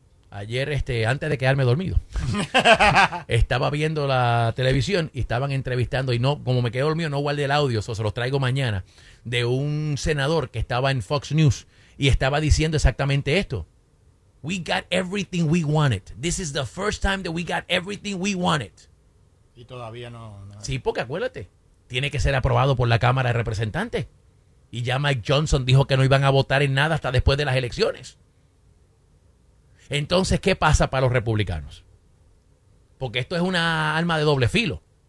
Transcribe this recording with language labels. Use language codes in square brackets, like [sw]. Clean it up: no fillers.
[es] Ayer, antes de quedarme dormido, estaba viendo la televisión y estaban entrevistando, y no, como me quedé dormido, no guardé el audio, eso se los traigo mañana, de un senador que estaba en Fox News y estaba diciendo exactamente esto. [en] We got everything we wanted. This is the first time that we got everything we wanted. [es] Y todavía no. Sí, porque acuérdate, tiene que ser aprobado por la Cámara de Representantes. Y ya Mike Johnson dijo que no iban a votar en nada hasta después de las elecciones. Entonces, ¿qué pasa para los republicanos? Porque esto es una arma de doble filo.